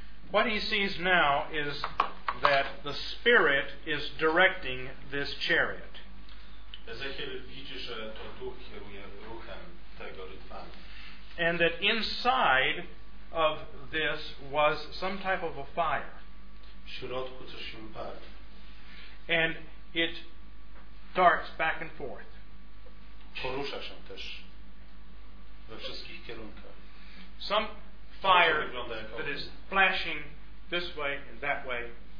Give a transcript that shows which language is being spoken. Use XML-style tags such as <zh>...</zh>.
<en>What he sees now is that the Spirit is directing this chariot.</en> <pl>Ezechiel widzi, że to duch kieruje ruchem tego rydwanu.</pl> <en>And that inside of this was some type of a fire.</en> <pl>W środku coś się pali.</pl> <en>And it darts back and forth.</en> <pl>Porusza się też we wszystkich kierunkach.</pl> <en>Some fire that is flashing this way and that way.</en>